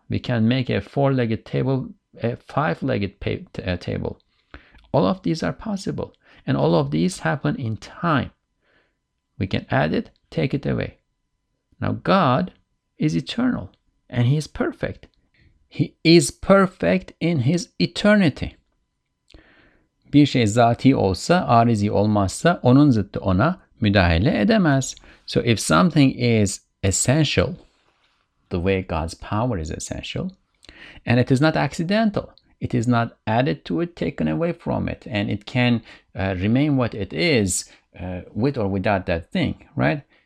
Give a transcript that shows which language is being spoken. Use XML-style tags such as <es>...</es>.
<en>We can make a four-legged table, a five-legged table. All of these are possible. And all of these happen in time. We can add it, take it away. Now God is eternal and he is perfect. He is perfect in his eternity.</en> <tr>Bir şey zati olsa, arizi olmazsa, onun zıttı ona müdahale edemez.</tr> <en>So if something is essential, the way God's power is essential, and it is not accidental, it is not added to it, taken away from it, and it can remain what it is with or without that thing, right?</en>